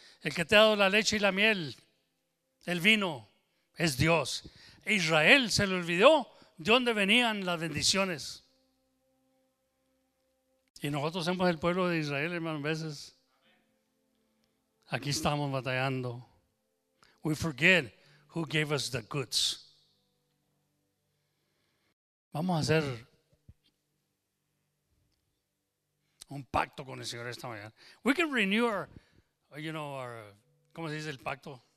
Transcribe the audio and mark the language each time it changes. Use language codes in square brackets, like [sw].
[es] El que te ha dado la leche y la miel, el vino, es Dios. Israel se le olvidó de dónde venían las bendiciones. Y nosotros somos el pueblo de Israel, hermano, a veces. Aquí estamos batallando. [en] We forget who gave us the goods. [es] Vamos a hacer un pacto con el Señor esta mañana. [en] We can renew our, you know, our, [es] ¿cómo se dice el pacto?